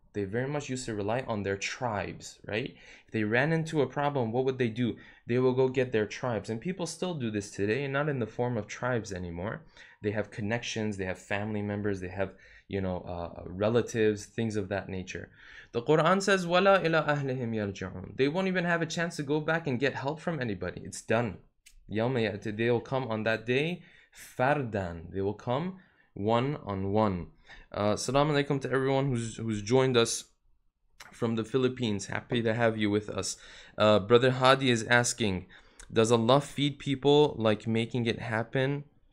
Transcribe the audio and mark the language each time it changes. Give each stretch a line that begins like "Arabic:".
English: They very much used to rely on their tribes, right? If they ran into a problem, what would they do? They will go get their tribes. And people still do this today, and not in the form of tribes anymore. They have connections, they have family members, they have, you know, relatives, things of that nature. The Quran says,
Arabic: وَلَا إِلَىٰ أَهْلِهِمْ يَرْجِعُونَ.
English: They won't even have a chance to go back and get help from anybody. It's done.
Arabic: يَوْمَ يَأْتِ.
English: They will come on that day, فَرْدًا. They will come one on one. Assalamu alaikum to everyone who's joined us from the Philippines. Happy to have you with us. Brother Hadi is asking, does Allah feed people like making it happen?